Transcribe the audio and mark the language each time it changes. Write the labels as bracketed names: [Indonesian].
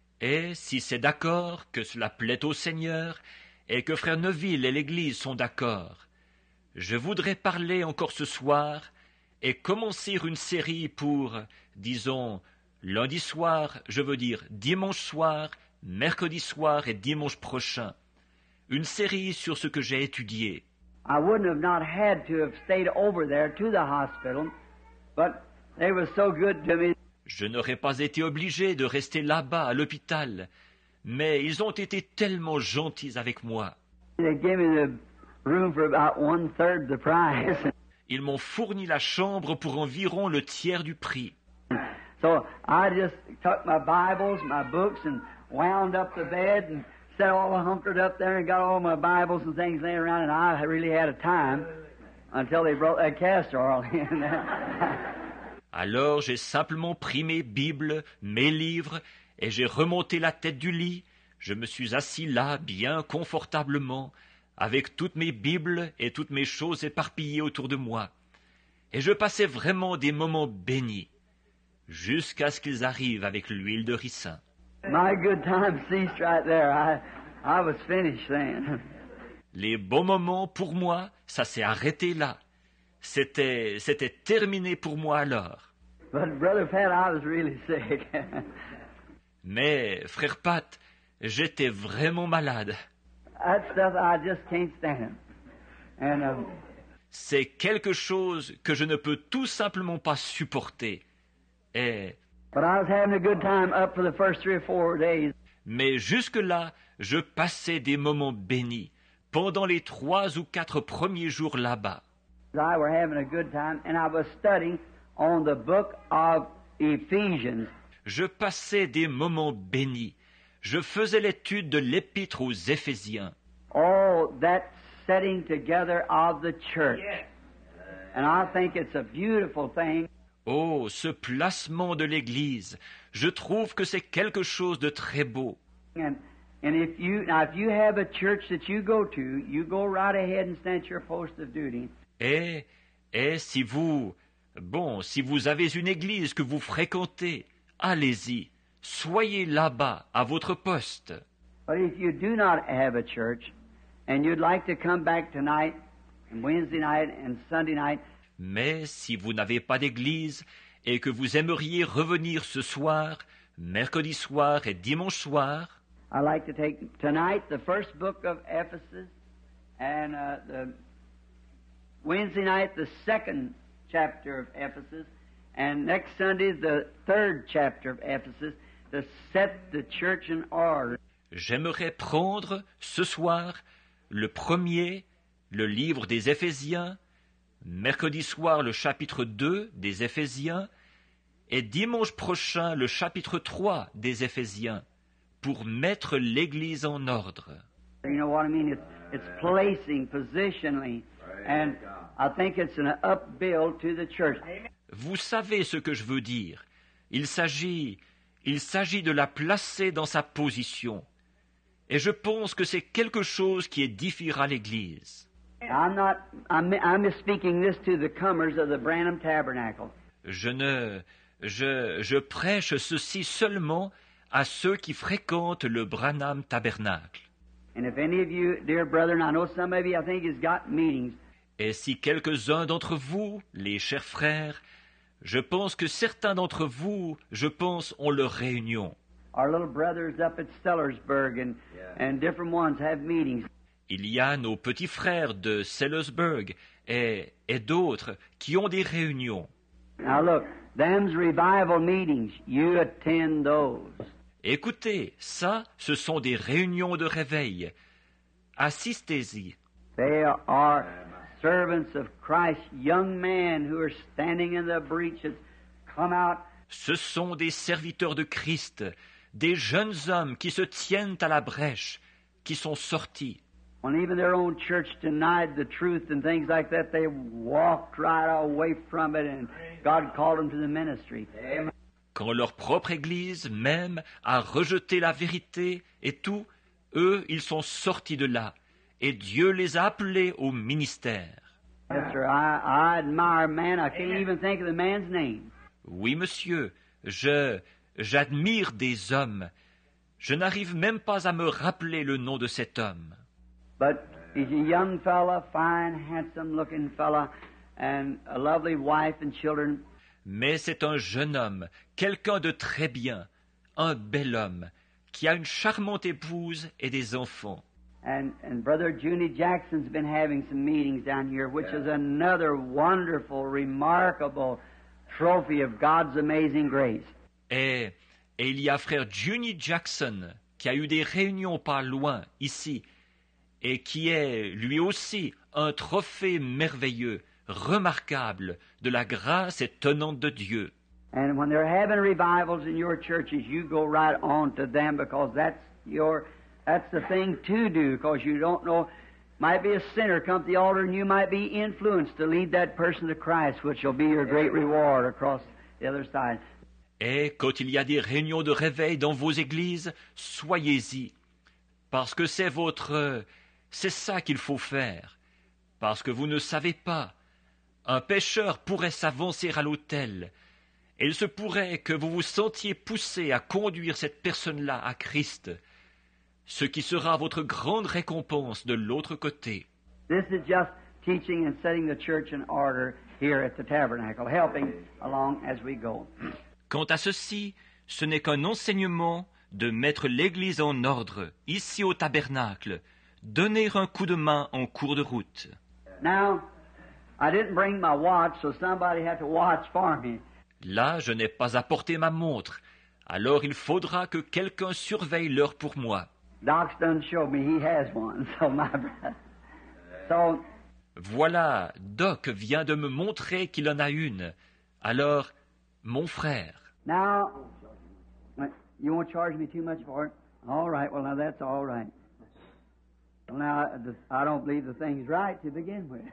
[French] Et si c'est d'accord que cela plaît au Seigneur et que frère Neville et l'Église sont d'accord, je voudrais parler encore ce soir et commencer une série pour, disons, lundi soir, je veux dire dimanche soir, mercredi soir et dimanche prochain, une série sur ce que j'ai étudié. [English] I wouldn't have not had to have stayed over there to the hospital, but they were so good to me. [French] Je n'aurais pas été obligé de rester là-bas à l'hôpital, mais ils ont été tellement gentils avec moi. [English] They gave me the room for about one third the price. [French] Ils m'ont fourni la chambre pour environ le tiers du prix. [English] So I just took my Bibles, my books, and wound up the bed and sat all hunkered up there and got all my Bibles and things laying around, and I really had a time until they brought that castor oil in. [French] Alors j'ai simplement pris mes Bibles, mes livres, et j'ai remonté la tête du lit. Je me suis assis là bien confortablement avec toutes mes Bibles et toutes mes choses éparpillées autour de moi. Et je passais vraiment des moments bénis jusqu'à ce qu'ils arrivent avec l'huile de ricin. [English] My good time ceased right there. I was finished then. [French] Les bons moments pour moi, ça s'est arrêté là. C'était terminé pour moi alors. [English] But Brother Pat, I was really sick. [French] Mais frère Pat, j'étais vraiment malade. [English] That stuff I just can't stand. And [French] c'est quelque chose que je ne peux tout simplement pas supporter. Et [English] but I was having a good time up for the first three or four days. [French] Mais jusque-là, je passais des moments bénis pendant les trois ou quatre premiers jours là-bas. [English] I was having a good time and I was studying on the book of Ephesians. [French] Je passais des moments bénis. je faisais l'étude de l'Épître aux Éphésiens. [English] Oh, that setting together of the church. Yes. And I think it's a beautiful thing. [French] Oh, ce placement de l'Église, je trouve que c'est quelque chose de très beau. [English] And if you, now if you have a church that you go to, you go right ahead and stand your post of duty. [French] Et si vous, bon, si vous avez une église que vous fréquentez, allez-y, soyez là-bas, à votre poste. [English] But if you do not have a church, and you'd like to come back tonight, and Wednesday night, and Sunday night. [French] Mais si vous n'avez pas d'église, et que vous aimeriez revenir ce soir, mercredi soir et dimanche soir. [English] I'd like to take tonight the first book of Ephesus, and the Wednesday night the second chapter of Ephesus, and next Sunday the third chapter of Ephesus to set the church in order. [French] J'aimerais prendre ce soir le premier, le livre des Éphésiens, mercredi soir le chapitre 2 des Éphésiens, et dimanche prochain le chapitre 3 des Éphésiens, pour mettre l'Église en ordre. [English] You know what I mean? It's placing positionally. And I think it's an upbuild to the church. [French] Vous savez ce que je veux dire. Il s'agit de la placer dans sa position. Et je pense que c'est quelque chose qui édifiera l'Église. [English] I'm speaking this to the comers of the Branham Tabernacle. [French] Je prêche ceci seulement à ceux qui fréquentent le Branham Tabernacle. [English] And if any of you, dear brethren, I know some of you, I think he's got meetings. [French] Et si quelques-uns d'entre vous, les chers frères, je pense que certains d'entre vous, je pense, ont leur réunion. [English] Our little brothers up at Sellersburg and different ones have meetings. [French] Il y a nos petits frères de Sellersburg et d'autres qui ont des réunions. [English] Now look, them's revival meetings, you attend those. [French] Écoutez, ça, ce sont des réunions de réveil. Assistez-y. [English] They are servants of Christ, young men who are standing in the breaches, come out. [French] Ce sont des serviteurs de Christ, des jeunes hommes qui se tiennent à la brèche, qui sont sortis. [English] When even their own church denied the truth and things like that, they walked right away from it and God called them to the ministry. Amen. [French] Quand leur propre église même a rejeté la vérité et tout, eux, ils sont sortis de là. Et Dieu les a appelés au ministère. [English] Yes, sir. I admire man. I can't even think of the man's name. [French] Oui, monsieur, j'admire des hommes. Je n'arrive même pas à me rappeler le nom de cet homme. [English] But he's a young fella, fine, handsome-looking fella, and a lovely wife and children. [French] Mais c'est un jeune homme, quelqu'un de très bien, un bel homme, qui a une charmante épouse et des enfants. [English] And Brother Junie Jackson's been having some meetings down here, which is another wonderful, remarkable trophy of God's amazing grace. [French] Et il y a Frère Junie Jackson qui a eu des réunions pas loin ici, et qui est lui aussi un trophée merveilleux, remarquable de la grâce étonnante de Dieu. [English] And when they're having revivals in your churches, you go right on to them because that's the thing to do, because you don't know, might be a sinner come to the altar and you might be influenced to lead that person to Christ, which will be your great reward across the other side. [French] Et quand il y a des réunions de réveil dans vos églises, soyez-y, parce que c'est ça qu'il faut faire, parce que vous ne savez pas, un pécheur pourrait s'avancer à l'autel, et il se pourrait que vous vous sentiez poussé à conduire cette personne-là à Christ, ce qui sera votre grande récompense de l'autre côté. [English] This is just teaching and setting the church in order here at the tabernacle, helping along as we go. [French] Quant à ceci, ce n'est qu'un enseignement de mettre l'Église en ordre, ici au tabernacle, donner un coup de main en cours de route. [English] Now, I didn't bring my watch, so somebody had to watch for me. [French] Là, je n'ai pas apporté ma montre, alors il faudra que quelqu'un surveille l'heure pour moi. [English] Doc's done showed me he has one, so my brother. So. [French] Voilà, Doc vient de me montrer qu'il en a une. Alors, mon frère. [English] Now, you won't charge me too much for it. All right, well, now that's all right. Well, now, I don't believe the thing's right to begin with.